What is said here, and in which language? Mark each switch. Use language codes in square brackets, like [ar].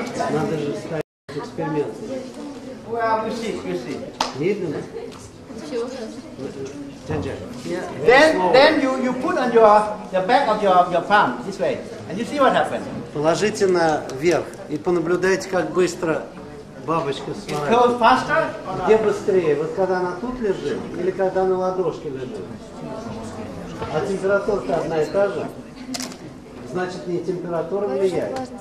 [ru] Надо же ставить эксперимент. Медленно. [en] Then you put on the back of your palm this way, and you see what happens. [ru] Положите наверх и понаблюдайте, как быстро бабочка смотрит. [en] It goes faster? [ru] Где быстрее? Вот когда она тут лежит или когда на ладошке лежит? А температура-то одна и та же. Значит, не температура влияет.